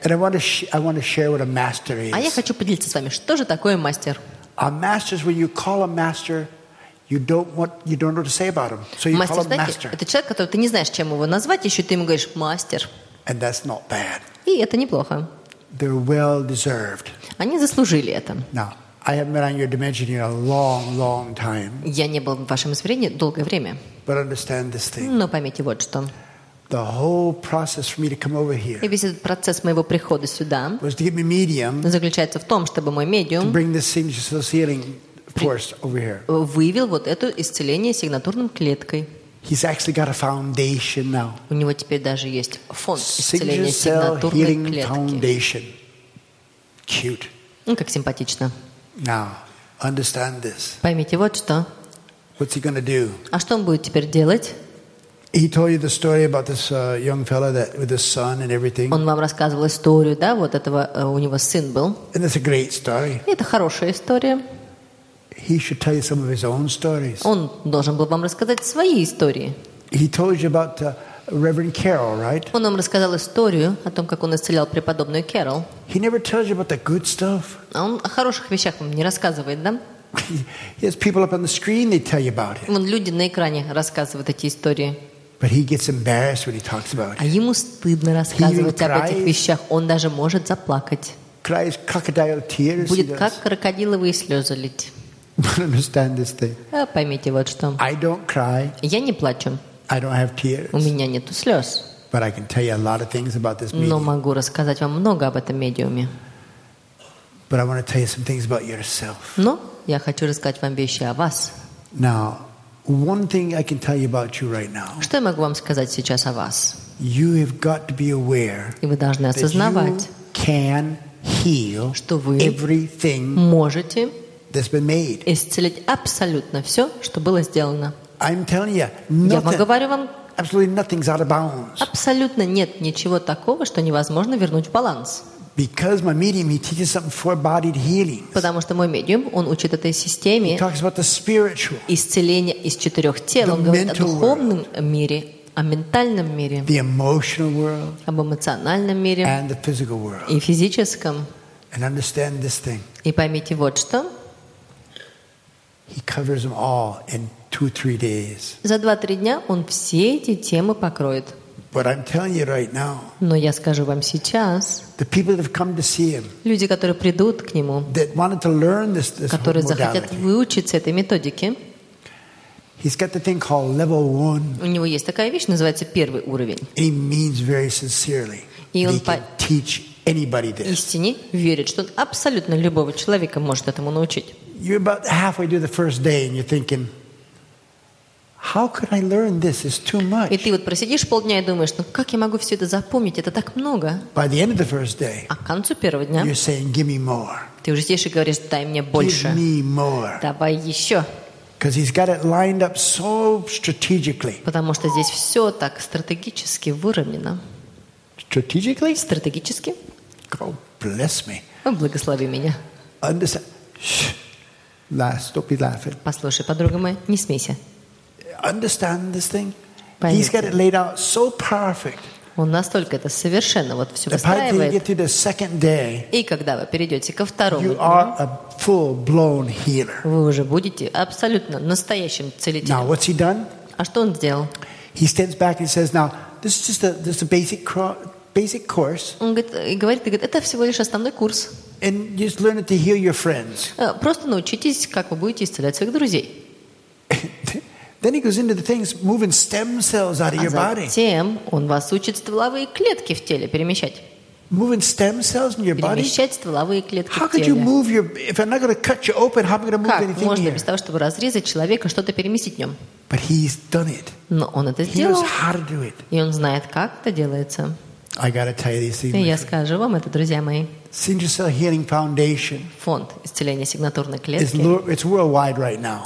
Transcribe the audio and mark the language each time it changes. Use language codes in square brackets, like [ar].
[en] And I want to share what a master is. [ru] А я хочу поделиться с вами, что же такое мастер? [en] A master is when you call a master, you don't know what to say about him, so you [ru] мастер, [en] call him master. [ru] Это человек, которого ты не знаешь, чем его назвать, еще ты ему говоришь мастер. [en] And that's not bad. [ru] И это неплохо. [en] They're well deserved. [ru] Они заслужили это. [en] Now, I haven't been on your dimension in a long, long time. [ru] Я не был в вашем измерении долгое время. [en] But understand this thing. [ru] Но поймите вот что. [en] The whole process for me to come over here. [ru] И весь этот процесс моего прихода сюда. [en] Was to give me medium. [ru] Заключается в том, чтобы мой медиум. [en] To bring this healing force over here. [ru] Выявил вот это исцеление сигнатурным клеткой. [en] He's actually got a foundation now. [ru] У него теперь даже есть фонд исцеления сигнатурной клетки. [en] Foundation. Cute. [ru] Ну, как симпатично. [en] Now, understand this. [ru] Поймите вот что. [en] What's he gonna do? [ru] А что он будет теперь делать? [en] He told you the story about this young fella that with his son and everything. [ru] Он вам рассказывал историю, да, вот этого у него сын был. [en] And it's a great story. [ru] И это хорошая история. [en] He should tell you some of his own stories. [ru] Он должен был вам рассказать свои истории. [en] He told you about Reverend Carol, right? [ru] Он вам рассказал историю о том, как он исцелял преподобную Кэрол. [en] He never tells you about the good stuff. [ru] Он о хороших вещах вам не рассказывает, да? [en] He has people up on the screen, they tell you about it. [ru] Вон люди на экране рассказывают эти истории. [en] But he gets embarrassed when he talks about it. [ru] А ему стыдно рассказывать об этих вещах. Он даже может заплакать. [en] Cries crocodile tears. [ru] Будет как крокодиловые слезы лить. [en] But understand this thing. [ru] Поймите вот что. [en] I don't cry. [ru] Я не плачу. [en] I don't have tears. [ru] У меня нету слез. [en] But I can tell you a lot of things about this medium. [ru] Но могу рассказать вам много об этом медиуме. [en] But I want to tell you some things about yourself. [ru] Но я хочу рассказать вам вещи о вас. [en] Now, one thing I can tell you about you right now. [ru] Что я могу вам сказать сейчас о вас? [en] You have got to be aware. [ru] И вы должны осознавать. [en] You can heal. [ru] Что вы [en] everything. [ru] Можете. [en] That's been made. [ru] Исцелить абсолютно все, что было сделано. [en] I'm telling you, [ru] я говорю вам, [en] absolutely nothing's out of bounds. [ru] Абсолютно нет ничего такого, что невозможно вернуть в баланс. [en] Because my medium, he teaches something for bodied healing. [ru] Потому что мой медиум, он учит этой системе. [en] He talks about the spiritual. [ru] Исцеление из четырех тел. Он говорит о духовном мире, о ментальном мире. [en] The emotional world. [ru] Об эмоциональном мире. [en] And the physical world. [ru] И физическом. [en] And understand this thing. [ru] И поймите вот что. [en] He covers them all in 2-3 days. [ru] За 2-3 дня он все эти темы покроет. [en] But I'm telling you right now. [ru] Но я скажу вам сейчас. [en] The people that have come to see him. [ru] Люди, которые придут к нему. [en] That wanted to learn this [ru] которые захотят выучиться этой методике. [en] He's got the thing called level 1. [ru] У него есть такая вещь, называется первый уровень. [en] He means very sincerely. [ru] И он [en] teach anybody this. [ru] Истине верит, что он абсолютно любого человека может этому научить. [en] You're about halfway through the first day, and you're thinking, "How could I learn this? It's too much." [ru] И ты вот просидишь полдня и думаешь, ну как я могу все это запомнить? Это так много. [en] By the end of the first day, [ru] а к концу первого дня, [en] you're saying, "Give me more." [ru] Ты уже сидишь и говоришь, дай мне больше. [en] Give me more. [ru] Давай еще. [en] Because he's got it lined up so strategically. [ru] Потому что здесь все так стратегически выровнено. [en] Strategically? [ru] Стратегически. [en] God bless me. [ru] Ой, благослови меня. [en] Understand. Don't be laughing. [ru] Послушай, подруга моя, не смейся. [en] Understand this thing? [ru] Поймите. [en] He's got it laid out so perfect. [ru] Он настолько это совершенно вот все выстраивает. И когда вы перейдете ко второму [en] you [ru] дню, [en] are a full-blown healer. [ru] Вы уже будете абсолютно настоящим целителем. [en] Now, what's he done? [ru] А что он сделал? [en] He stands back and says, "Now, this is just a basic course." [ru] Он говорит, это всего лишь основной курс. [en] And just learn it to heal your friends. [ru] Просто научитесь, как вы будете исцелять своих друзей. [en] Then he goes into the things moving stem cells out of your body. [ru] Затем он вас учит стволовые клетки в теле перемещать. [en] Moving stem cells in your body. [ru] Перемещать стволовые клетки в теле. [en] How could you move your if I'm not going to cut you open? How am I going to move anything here? [ru] Как можно без того, чтобы разрезать человека, что-то переместить в нем? [en] But he's done it. [ru] Но он это сделал. [en] He knows how to do it. [ru] И он знает, как это делается. [en] I gotta tell you these things. [ru] Я скажу вам это, друзья мои. [en] Cell Healing Foundation. [ru] Фонд исцеления сигнатурной клетки. [en] It's worldwide right now.